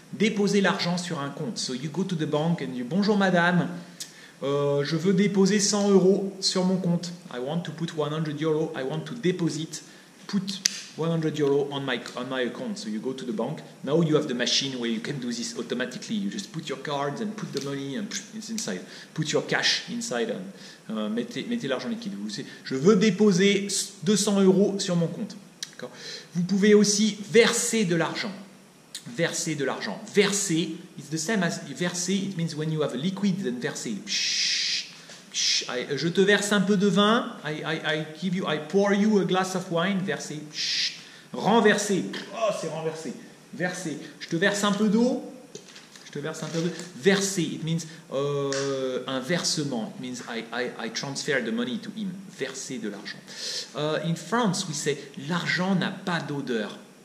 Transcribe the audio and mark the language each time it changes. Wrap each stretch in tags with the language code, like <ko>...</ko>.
<en>Déposer l'argent sur un compte. So you go to the bank and you bonjour madame, je veux déposer 100 euros sur mon compte. I want to put 100 euros. I want to deposit. Put 100 euros on my account. So you go to the bank. Now you have the machine where you can do this automatically. You just put your cards and put the money and it's inside. Put your cash inside and</en> <fr>mettez l'argent liquide. Vous savez, je veux déposer 200 euros sur mon compte. D'accord? Vous pouvez aussi verser de l'argent. Verser de l'argent.</fr> <en>Verser, it's the same as verser. It means when you have a liquid, then verser.</en> <fr>Je te verse un peu de vin.</fr> <en>I pour you a glass of wine.</en> <fr>Verser. Renverser. Oh, c'est renversé. Verser. Je te verse un peu d'eau. Je te verse un peu d'eau. Verser.</fr> <en>It means</en> <fr>un versement.</fr> <en>It means I transfer the money to him.</en> <fr>Verser de l'argent.</fr> <en>In France, we say</en> <fr>l'argent n'a pas d'odeur.</fr>